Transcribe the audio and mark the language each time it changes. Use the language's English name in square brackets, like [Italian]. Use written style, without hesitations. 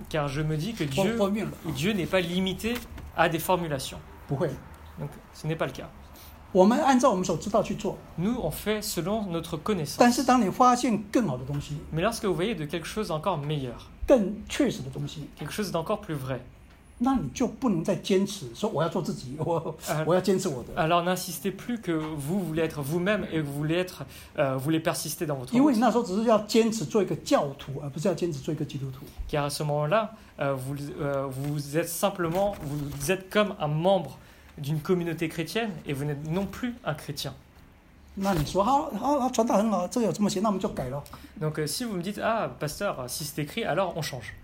[French] Car je me dis que Dieu n'est pas limité à des formulations. [Chinese] 不会。 [French] Donc ce n'est pas le cas. [Chinese] 我们按照我们所知道去做。 [French] Nous on fait selon notre connaissance. [Chinese] 但是当你发现更好的东西。 [French] Mais lorsque vous voyez de quelque chose encore meilleur. [Chinese] 更确实的东西。 [French] Quelque chose d'encore plus vrai. [Chinese] 那你就不能再坚持说我要做自己，我要坚持我的。 [French] Alors n'insistez plus que vous voulez être vous-même et vous voulez être, vous voulez persister dans votre. [Chinese] 因为那时候只是要坚持做一个教徒，而不是要坚持做一个基督徒。 [French] Car à ce moment-là, vous êtes comme un membre. D'une communauté chrétienne et vous n'êtes non plus un chrétien. Donc, si vous me dites, ah, pasteur, si c'est écrit, alors on change.